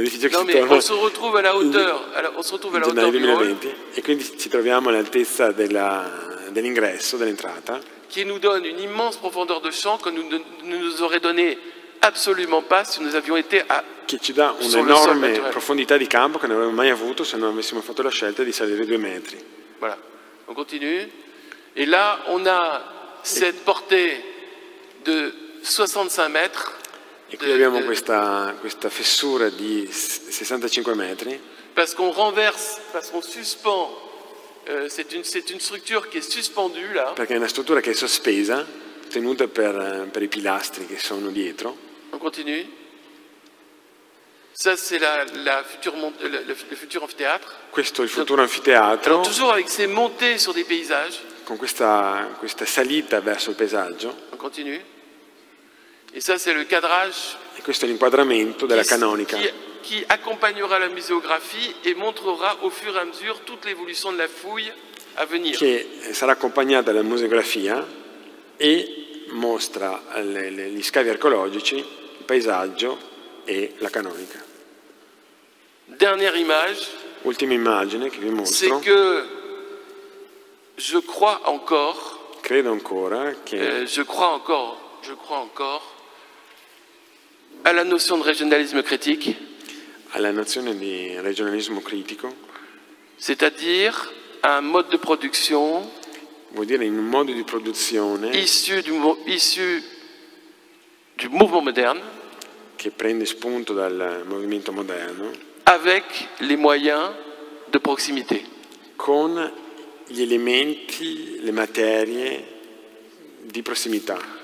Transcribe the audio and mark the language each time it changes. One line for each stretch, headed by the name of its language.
French: Non, mais on se retrouve à la hauteur. On se retrouve à la hauteur. 2020.
Italian: Et quindi ci troviamo all'altezza dell'ingresso, dell'entrata.
French: Qui nous donne une immense profondeur de champ que nous ne nous aurait donné absolument pas si nous avions été à.
Italian: Che ci dà un'enorme profondità di campo che non avremmo mai avuto se non avessimo fatto la scelta di salire 2 metri.
French: Voilà. On continue. E là on a cette portée de 65 metri.
Italian: E qui abbiamo questa fessura di 65 metri.
French: Parce qu'on renverse, parce qu'on suspend. C'est une structure qui est suspendue là.
Italian: Perché è una struttura che è sospesa, tenuta per i pilastri che sono dietro.
French: On continue. Ça c'est le futur amphithéâtre.
Italian: Questo è il futuro anfiteatro.
French: Toujours avec ces montées sur des paysages.
Italian: Con questa salita verso il paesaggio.
French: On continue. Et ça c'est le cadrage.
Italian: E questo è l'inquadramento della canonica.
French: Qui accompagnera la muséographie et montrera au fur et à mesure toute l'évolution de la fouille à venir.
Italian: Che sarà accompagnata dalla museografia e mostra gli scavi archeologici, il paesaggio e la canonica.
French: Dernière image.
Italian: Ultima immagine che vi mostro.
French: C'est que je crois encore.
Italian: Credo ancora che.
French: Je crois encore à la notion de régionalisme critique.
Italian: Alla nozione di regionalismo critico.
French: C'est-à-dire un mode de production.
Italian: Vuol dire in un modo di produzione.
French: Issu du mouvement moderne.
Italian: Che prende spunto dal movimento moderno,
French: avec les moyens de proximité,
Italian: con gli elementi, le materie di prossimità.